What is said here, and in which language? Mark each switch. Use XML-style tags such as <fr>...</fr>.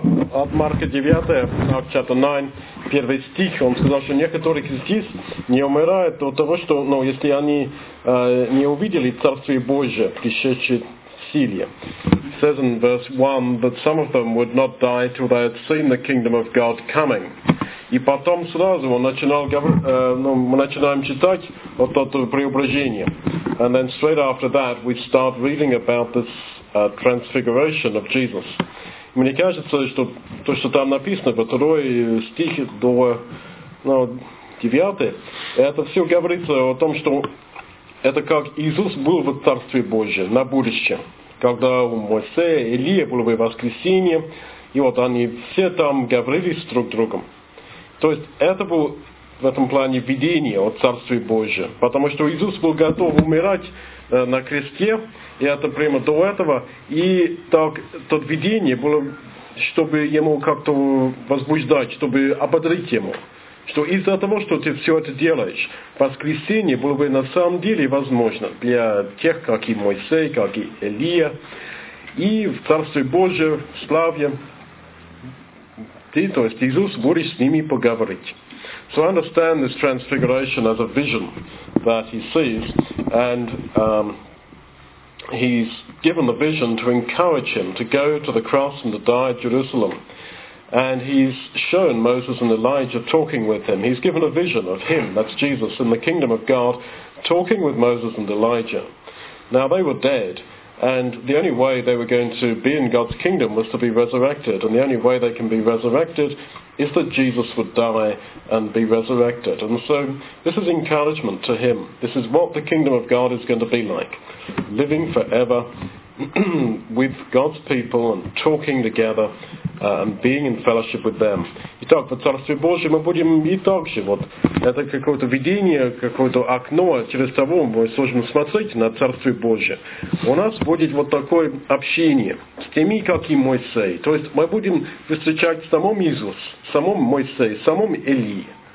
<ru>от Марка 9,</ru> <en>chapter 9,</en> <ru>первый стих, он сказал, что некоторые христиане не умирают от того, что, ну, если они не увидели Царствие Божие, пришедшее в силе.</ru> <en>It says in verse 1 that some of them would not die till they had seen the kingdom of God coming.</en> <ru>И потом сразу он начинал, ну, мы начинаем читать вот это преображение.</ru> <en>And then straight after that we start reading about this transfiguration of Jesus.</en> <ru>Мне кажется, что то, что там написано, во второй стихе до, ну, девятый, это все говорится о том, что это как Иисус был в Царстве Божьем на будущее, когда Моисей, Илия были в воскресении, и вот они все там говорили с друг другом. То есть это было в этом плане видение о Царстве Божьем, потому что Иисус был готов умирать на кресте, и это прямо до этого, и так то видение было, чтобы ему как-то возбуждать, чтобы ободрить ему. Что из-за того, что ты все это делаешь, воскресение было бы на самом деле возможно для тех, как и Моисей, как и Илия, и в Царстве Божьем, в славе, ты, то есть Иисус, будешь с ними поговорить.</ru> <en>So I understand this transfiguration as a vision that he sees, and he's given the vision to encourage him to go to the cross and to die at Jerusalem. And he's shown Moses and Elijah talking with him. He's given a vision of him, that's Jesus, in the kingdom of God, talking with Moses and Elijah. Now they were dead, and the only way they were going to be in God's kingdom was to be resurrected. And the only way they can be resurrected is that Jesus would die and be resurrected. And so this is encouragement to him. This is what the kingdom of God is going to be like, living forever with God's people and talking together and being in fellowship with them.</en> <ru>Итак, в Царстве Божьем мы будем и так же. Вот это какое-то видение, какое-то окно, через того мы сможем смотреть на Царствие Божье. У нас будет вот такое общение с теми, как и Моисей. То есть мы будем встречать самом Иисус, самом Моисей, самом Илии.</ru>